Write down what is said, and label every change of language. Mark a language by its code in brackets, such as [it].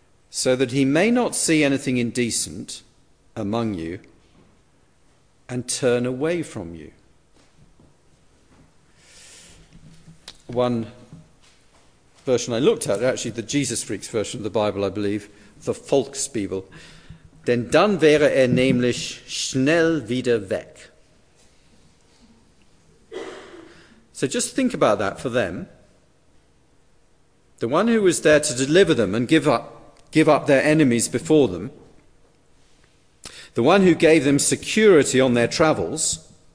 [en] So that he may not see anything indecent among you and turn away from you. One version I looked at, actually the Jesus Freaks version of the Bible, I believe, the Volksbibel. [de] Denn dann wäre nämlich schnell wieder weg. [en] So just think about that for them. The one who was there to deliver them and give up their enemies before them. The one who gave them security on their travels.